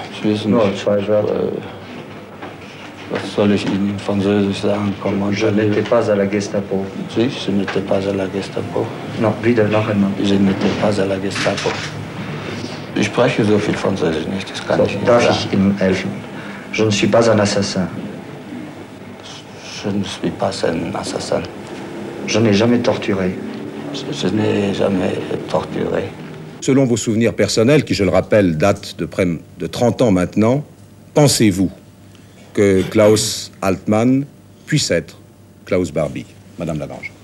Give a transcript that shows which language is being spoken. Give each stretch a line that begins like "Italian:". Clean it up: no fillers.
German: Ich weiß nicht, was soll ich Ihnen Französisch sagen?
French: Je n'étais pas à la Gestapo. Si, je n'étais pas à la Gestapo.
German: Non, wieder noch einmal.
French: Je n'étais pas à la Gestapo.
German: Ich spreche so viel Französisch nicht, das kann ich Ihnen sagen. Darf ich Ihnen helfen?
French: Je ne suis pas un assassin. Je ne suis pas un assassin. Je n'ai jamais torturé. Je n'ai jamais torturé. Selon vos souvenirs personnels, qui, je le rappelle, datent de près de 30 ans maintenant, pensez-vous que Klaus Altmann puisse être Klaus Barbie, Madame Lavange?